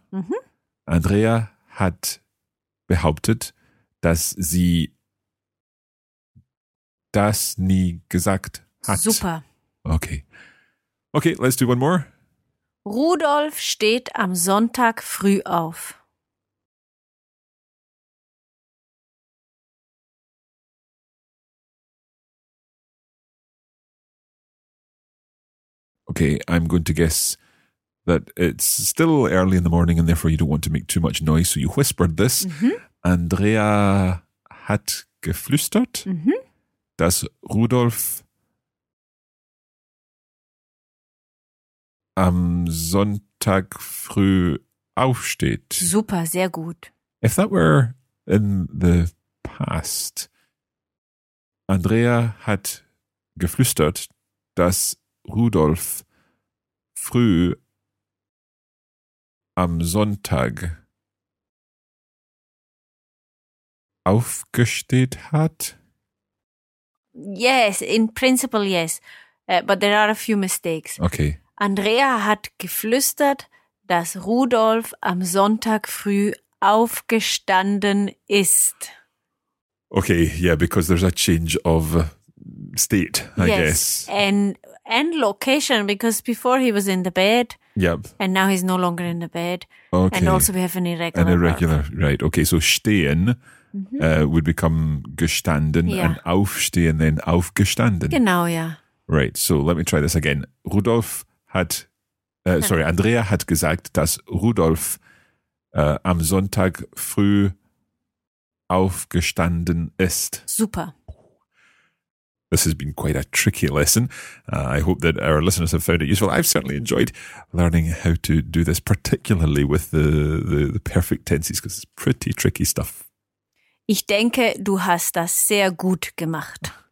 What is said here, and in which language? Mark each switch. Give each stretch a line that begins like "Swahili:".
German: Mm-hmm. Andrea hat behauptet, dass sie das nie gesagt hat. Super.
English: Okay. Okay, let's do one more.
German: Rudolf steht am Sonntag früh auf.
English: Okay, I'm going to guess that it's still early in the morning and therefore you don't want to make too much noise. So you whispered this. Mm-hmm.
German: Andrea hat geflüstert, mm-hmm. dass Rudolf am Sonntag früh aufsteht. Super, sehr gut.
English: If that were in the past,
German: Andrea hat geflüstert, dass Rudolf früh am Sonntag aufgesteht hat?
English: Yes, in principle yes. But there are a few mistakes. Okay.
German: Andrea hat geflüstert, dass Rudolf am Sonntag früh aufgestanden ist.
English: Okay, yeah, because there's a change of state, I guess. And location, because before he was in the bed. Yep. And now he's no longer in the bed. Okay. And also we have an irregular. An irregular, right. Okay, so stehen mm-hmm. Would become gestanden yeah. and aufstehen then aufgestanden.
German: Genau, yeah.
English: Right, so let me try this again.
German: Rudolf hat, Andrea hat gesagt, dass Rudolf am Sonntag früh aufgestanden ist. Super.
English: This has been quite a tricky lesson. I hope that our listeners have found it useful. I've certainly enjoyed learning how to do this, particularly with the perfect tenses, because it's pretty tricky stuff.
German: Ich denke, du hast das sehr gut gemacht.